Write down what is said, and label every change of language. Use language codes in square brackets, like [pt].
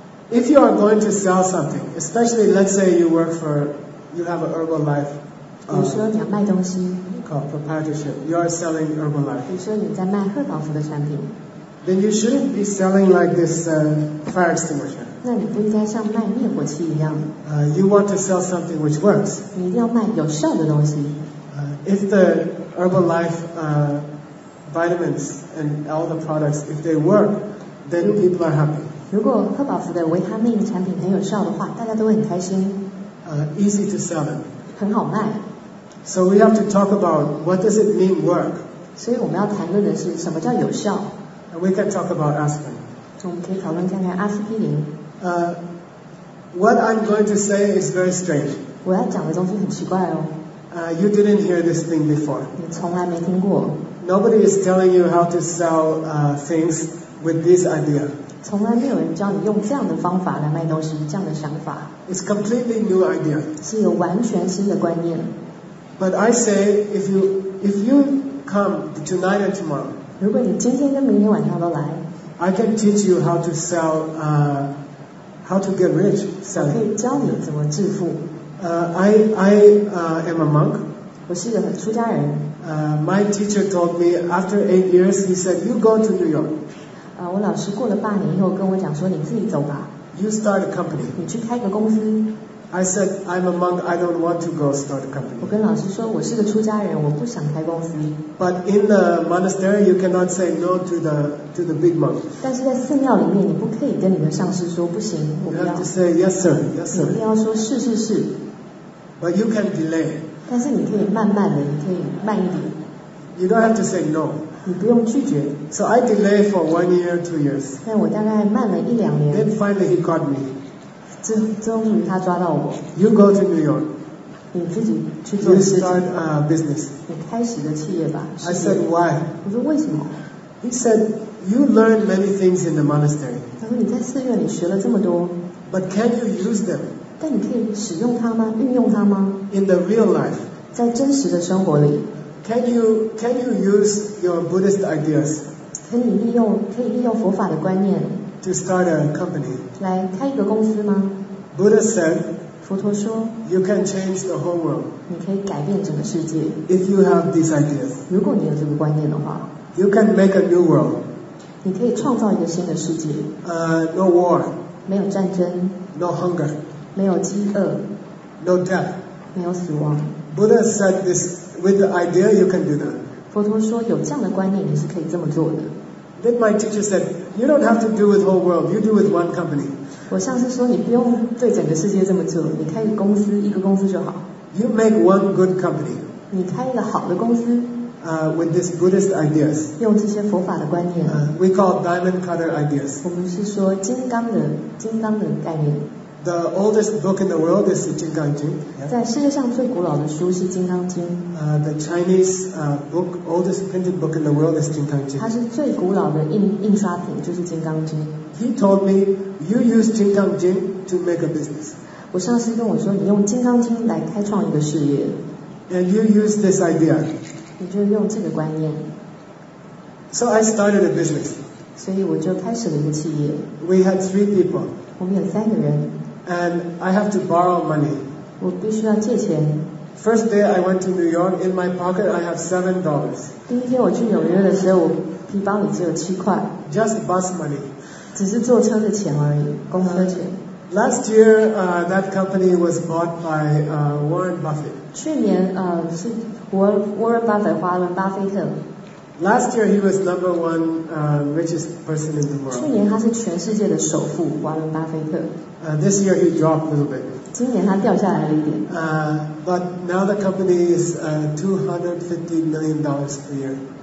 [en] If you are going to sell something, especially let's say you work for, you have a Herbalife. [zh] 你说你要卖东西。 [en] Called proprietorship. You are selling Herbalife. [zh] 你说你在卖赫宝福的产品。 [en] Then you shouldn't be selling like this fire extinguisher. [zh] 那你不应该像卖灭火器一样。 [en] You want to sell something which works. [zh] 你一定要卖有效的东西。 [en] If the Herbalife vitamins and all the products, if they work, then people are happy. [zh] 如果赫宝福的维他命产品很有效的话，大家都会很开心。 [en] Easy to sell them. [zh] 很好卖。 [en] So we have to talk about what does it mean work. [zh] 所以我们要谈论的是什么叫有效。 [en] We can talk about aspirin. [zh] 我们可以讨论看看阿司匹林。 [en] What I'm going to say is very strange. [zh] 我要讲的东西很奇怪哦。 [en] You didn't hear this thing before. [zh] 你从来没听过。 [en] Nobody is telling you how to sell things with this idea. [zh] 从来没有人教你用这样的方法来卖东西，这样的想法。 [en] It's completely new idea. [zh] 是一个完全新的观念。 [en] But I say, if you come tonight and tomorrow, [zh] 如果你今天跟明天晚上都来 [en] ，I can teach you how to sell, how to get rich selling. [zh] 我可以教你怎么致富。 [en] I am a monk. [zh] 我是一个出家人。 [en] My teacher told me after 8 years, he said, "You go to New York." [zh] 我老师过了八年以后跟我讲说，你自己走吧。 [en] You start a company. [zh] 你去开个公司。 [en] I said, "I'm a monk. I don't want to go start a company." [zh] 我跟老师说，我是个出家人，我不想开公司。 [en] But in the monastery, you cannot say no to the big monk. [zh] 但是在寺庙里面，你不可以跟你的上司说不行，我不要。 [en] You have to say yes, sir. Yes, sir. [zh] 你一定要说是是是。 [en] But you can delay. [zh] 但是你可以慢慢的，你可以慢一点。 [en] You don't have to say no. [zh] 你不用拒绝。 [en] So I delay for 1 year, 2 years. [zh] 但我大概慢了一两年。 [en] Then finally, he caught me. [zh] 终于他抓到我。 [en] You go to New York. [zh] 你自己去做事情。 [en] You start a business. [zh] 你开始的企业吧。 [en] I said why? [zh] 我说为什么？ [en] He said you learn many things in the monastery. [zh] 他说你在寺院里学了这么多。 [en] But can you use them? [zh] 但你可以使用它吗？运用它吗？ [en] In the real life. [zh] 在真实的生活里。 [en] Can you use your Buddhist ideas? [zh] 可以利用佛法的观念。 [en] To start a company. [zh] 来开一个公司吗？ [en] Buddha said, [zh] 佛陀说， [en] You can change the whole world. [zh] 你可以改变整个世界。 [en] If you have these ideas. [zh] 如果你有这个观念的话。 [en] You can make a new world. [zh] 你可以创造一个新的世界。 [en] No war. [zh] 没有战争。 [en] No hunger. [zh] 没有饥饿。 [en] No death. [zh] 没有死亡。 [en] Buddha said this, with the idea you can do that. [zh] 佛陀说，有这样的观念你是可以这么做的。 [en] Then my teacher said, "You don't have to do with whole world. You do with one company." [zh] 我上次说你不用对整个世界这么做，你开一个公司，一个公司就好。 [en] You make one good company. [zh] 你开一个好的公司。 [en] With these Buddhist ideas. [zh] 用这些佛法的观念。 [en] We call diamond cutter ideas. [zh] 我们是说金刚的概念。 [en] The oldest book in the world is the 金刚经。 [zh] 在世界上最古老的书是金刚经。 [en] The Chinese book, oldest printed book in the world is 金刚经。 [zh] 它是最古老的印刷品，就是金刚经。 [en] He told me, "You use 金刚经 to make a business." [zh] 我上司跟我说，你用金刚经来开创一个事业。 [en] And you use this idea. [zh] 你就用这个观念。 [en] So I started a business. [zh] 所以我就开始了一个企业。 [en] We had 3 people. [zh] 我们有三个人。 [en] And I have to borrow money. [zh] 我必须要借钱。 [en] First day I went to New York. In my pocket I have $7. [zh] 第一天我去纽约的时候，我皮包里只有7块。 [en] Just bus money. [zh] 只是坐车的钱而已，公车钱。 [en] Last year, that company was bought by Warren Buffett. [zh] 去年是Warren Buffett 华伦巴菲特。 [en] Last year he was number one richest person in the world. [zh] 去年他是全世界的首富，华伦巴菲特。 [en] This year he dropped a little bit. [zh] 今年他掉下来了一点。 [en] But now the company is $250 million per year.